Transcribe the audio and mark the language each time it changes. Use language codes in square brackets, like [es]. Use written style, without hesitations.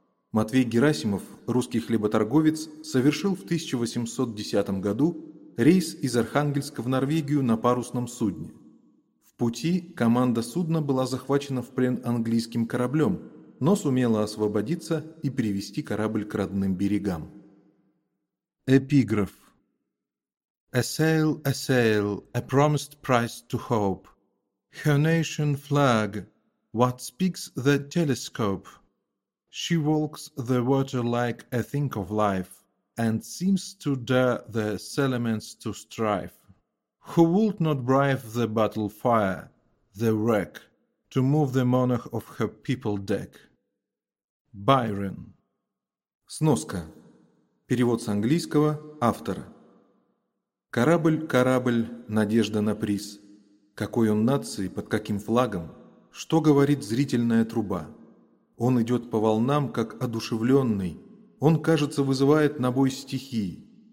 [ru] Матвей Герасимов, русский хлеботорговец, совершил в 1810 году рейс из Архангельска в Норвегию на парусном судне. В пути команда судна была захвачена в плен английским кораблем, но сумела освободиться и привести корабль к родным берегам. Эпиграф. [en] A sail, a sail, a promised prize to hope. Her nation flag, what speaks the telescope? She walks the water like a thing of life, and seems to dare the elements to strife. Who would not brave the battle fire, the wreck, to move the monarch of her people deck? [ru] Байрон. Сноска. Перевод с английского автора. Корабль, корабль, надежда на приз. Какой он нации, под каким флагом? Что говорит зрительная труба? Он идет по волнам, как одушевленный. Он, кажется, вызывает на бой стихии.